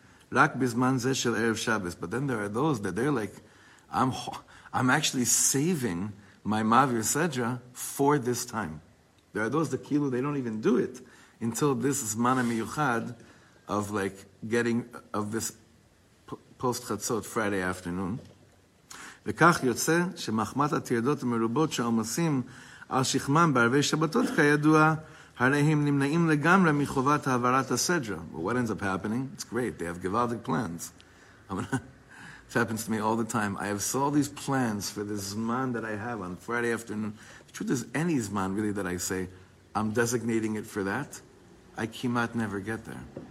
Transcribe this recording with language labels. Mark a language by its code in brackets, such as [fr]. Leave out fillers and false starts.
[en] But then there are those that they're like, I'm actually saving my Mavir Sedra for this time. There are those that kilu, they don't even do it until this Zman HaMiyuchad of like getting of this post chatzot Friday afternoon. [he] וכך יוצא שמחמת התרדות המרובות שעומסים על שכמם בערבי שבתות כידוע, הרי הם נמנעים לגמרי מחובת העברת הסדרה. [en] Well, what ends up happening? It's great. They have gewaltic plans. It happens to me all the time. I have all these plans for this zman that I have on Friday afternoon. The truth is, any zman really that I say, I'm designating it for that, I cannot never get there.